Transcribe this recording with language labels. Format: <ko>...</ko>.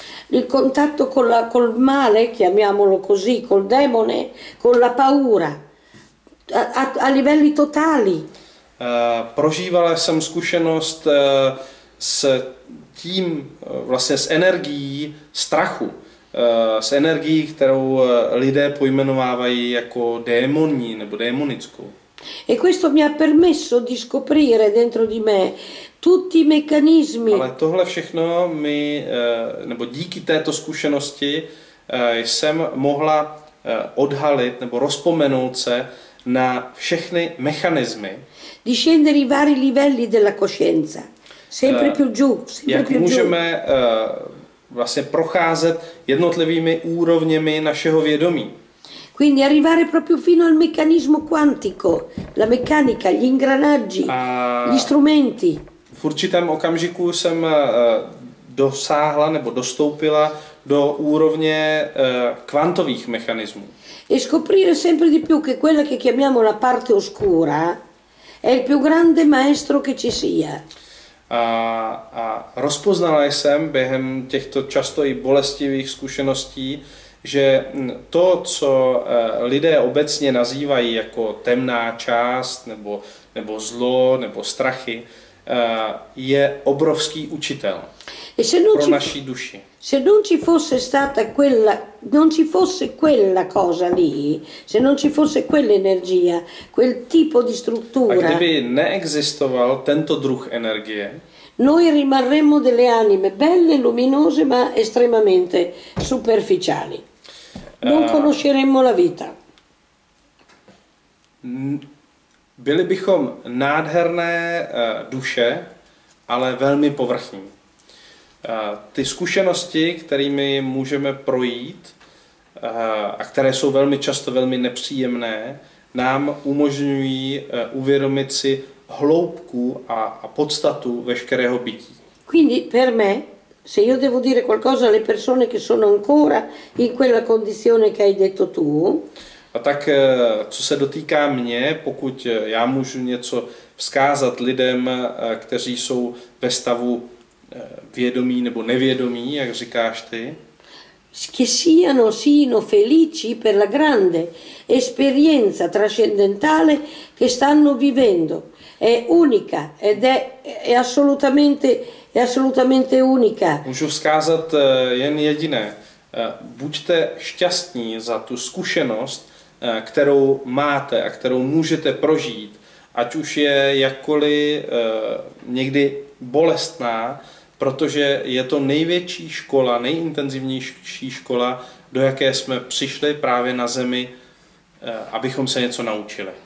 <it>Il contatto col male, chiamiamolo così, col demone, con la paura, a livelli totali.</it> <cs>Prožívala jsem zkušenost s tím, vlastně s energií strachu, s energií, kterou lidé pojmenovávají jako démonní nebo démonickou.</cs> <it>E questo mi ha permesso di scoprire dentro di me tutti i meccanismi.</it> <cs>Ale tohle všechno mi, nebo díky této zkušenosti, jsem mohla odhalit nebo rozpomenout se na všechny mechanismy.</cs> <it>Di scendere i vari livelli della coscienza, sempre più giù, sempre più giù.</it> <cs>Jak můžeme vlastně procházet jednotlivými úrovněmi našeho vědomí.</cs> <it>Quindi arrivare proprio fino al meccanismo quantico, la meccanica, gli ingranaggi, gli strumenti.</it> <cs>V určitém okamžiku jsem dosáhla nebo dostoupila do úrovně kvantových mechanismů.</cs> <it>E scoprire sempre di più che quella che chiamiamo la parte oscura è il più grande maestro che ci sia.</it> <cs>A rozpoznala jsem během těchto často i bolestivých zkušeností, že to, co lidé obecně nazývají jako temná část, nebo zlo, nebo strachy, je obrovský učitel.</cs> <it>E se non pro ci, nasci duci. Se non ci fosse stata quella, non ci fosse quella cosa lì, se non ci fosse quell'energia, quel tipo di struttura.</it> <cs>A kdyby neexistoval tento druh energie.</cs> <it>Noi rimarremmo delle anime belle, luminose, ma estremamente superficiali. Non conosceremmo la vita.</it> <cs>Byli bychom nádherné duše, ale velmi povrchní. Ty zkušenosti, kterými můžeme projít a které jsou velmi často velmi nepříjemné, nám umožňují uvědomit si hloubku a podstatu veškerého bytí.</cs> <it>Quindi per me, se io devo dire qualcosa alle persone che sono ancora in quella condizione che hai detto tu.</it> <cs>A tak co se dotýká mě, pokud já můžu něco vzkázat lidem, kteří jsou ve stavu vědomí nebo nevědomí, jak říkáš ty?</cs> <it>Che siano sino felici per la grande esperienza trascendentale che stanno vivendo. È unica ed è assolutamente unica.</it> <cs>Můžu vzkázat jen jediné. Buďte šťastní za tu zkušenost, kterou máte a kterou můžete prožít, ať už je jakkoliv někdy bolestná, protože je to největší škola, nejintenzivnější škola, do jaké jsme přišli právě na zemi, abychom se něco naučili.</cs>